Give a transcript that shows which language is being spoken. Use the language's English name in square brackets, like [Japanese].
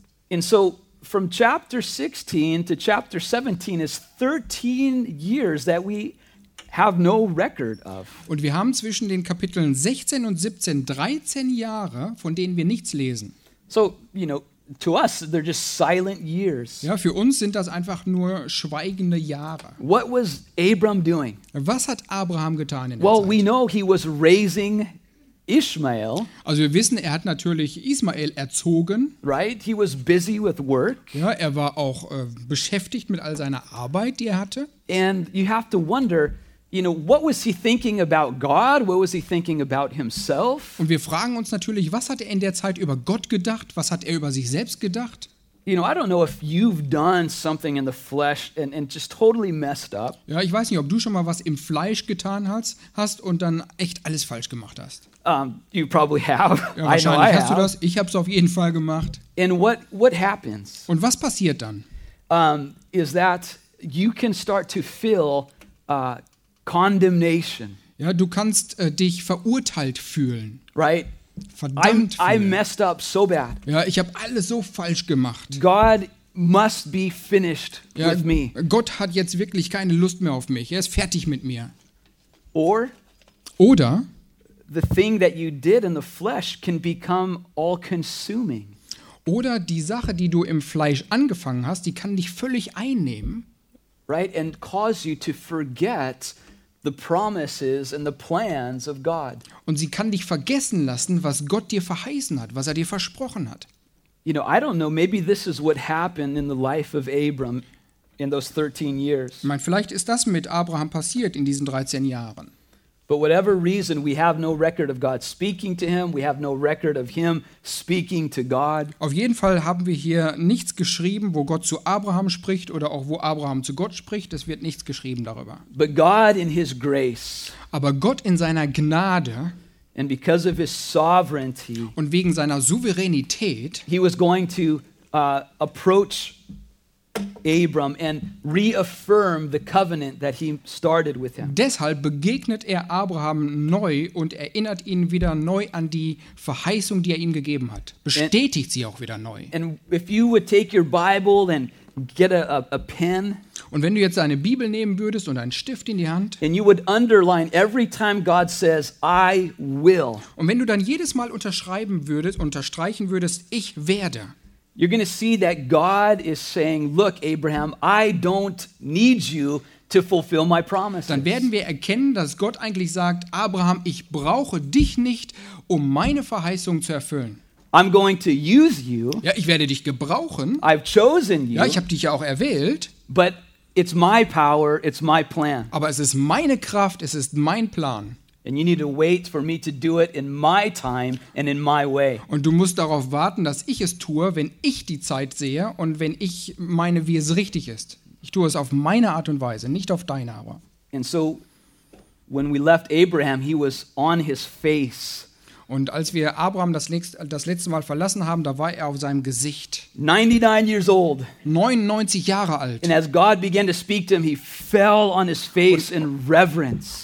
[English] And so from chapter 16 to chapter 17 is 13 years that we have no record of. [German] Und wir haben zwischen den Kapiteln 16 und 17 13 Jahre, von denen wir nichts lesen. [English] So, you know, to us, they're just silent years. [German] Ja, für uns sind das einfach nur schweigende Jahre. [English] What was Abram doing? [German] Was hat Abraham getan in der [English] Well, [German] Zeit? [English] We know he was raising Ishmael. [German] Also wir wissen, er hat natürlich Ismael erzogen. [English] Right? He was busy with work. [German] Ja, er war auch beschäftigt mit all seiner Arbeit, die er hatte. [English] And you have to wonder, you know, what was he thinking about God? What was he thinking about himself? [German] Und wir fragen uns natürlich, was hat er in der Zeit über Gott gedacht? Was hat er über sich selbst gedacht? [English] You know, I don't know if you've done something in the flesh and just totally messed up. [German] Ja, ich weiß nicht, ob du schon mal was im Fleisch getan hast und dann echt alles falsch gemacht hast. [English] You probably have. [German] Ja, wahrscheinlich hast du das. Ich habe es auf jeden Fall gemacht. [English] And what happens? [German] Und was passiert dann? [English] Is that you can start to feel condemnation. [German] Ja, du kannst dich verurteilt fühlen. [English] Right? [German] Verdammt fühlen. [English] I messed up so bad. [German] Ja, ich habe alles so falsch gemacht. [English] God must be finished with me. [German] Gott hat jetzt wirklich keine Lust mehr auf mich. Er ist fertig mit mir. Oder [English] the thing that you did in the flesh can become all consuming. [German] Oder die Sache, die du im Fleisch angefangen hast, die kann dich völlig einnehmen. [English] Right, and cause you to forget the promises and the plans of God. [German] Und sie kann dich vergessen lassen, was Gott dir verheißen hat, was er dir versprochen hat. [English] You know, I don't know, maybe this is what happened in the life of Abram in those 13 years. [German] Ich meine, vielleicht ist das mit Abraham passiert in diesen 13 Jahren. [English] But whatever reason, we have no record of God speaking to him. We have no record of him speaking to God. [German] Auf jeden Fall haben wir hier nichts geschrieben, wo Gott zu Abraham spricht oder auch wo Abraham zu Gott spricht. Es wird nichts geschrieben darüber. [English] But God in his grace. [German] Aber Gott in seiner Gnade. [English] And because of his sovereignty. [German] Und wegen seiner Souveränität. [English] He was going to approach Abram and reaffirm the covenant that he started with him. [German] Deshalb begegnet er Abraham neu und erinnert ihn wieder neu an die Verheißung, die er ihm gegeben hat. Bestätigt sie auch wieder neu. [English] And if you would take your Bible and get a pen. [German] Und wenn du jetzt eine Bibel nehmen würdest und einen Stift in die Hand. [English] And you would underline every time God says, I will. [German] Und wenn du dann jedes Mal unterschreiben würdest, unterstreichen würdest, ich werde. [English] You're going to see that God is saying, look, Abraham, I don't need you to fulfill my promises. [German] Dann werden wir erkennen, dass Gott eigentlich sagt, Abraham, ich brauche dich nicht, um meine Verheißung zu erfüllen. [English] I'm going to use you. [German] Ja, ich werde dich gebrauchen. [English] I've chosen you. [German] Ja, ich habe dich ja auch erwählt. [English] But it's my power, it's my plan. [German] Aber es ist meine Kraft, es ist mein Plan. [English] And you need to wait for me to do it in my time and in my way. [German] Und du musst darauf warten, dass ich es tue, wenn ich die Zeit sehe und wenn ich meine, wie es richtig ist. Ich tue es auf meine Art und Weise, nicht auf deine aber. [English] And so when we left Abraham, he was on his face. [German] Und als wir Abraham das letzte Mal verlassen haben, da war er auf seinem Gesicht. [English] 99 years old. [German] 99 Jahre alt. [English] And as God began to speak to him, he fell on his face in reverence.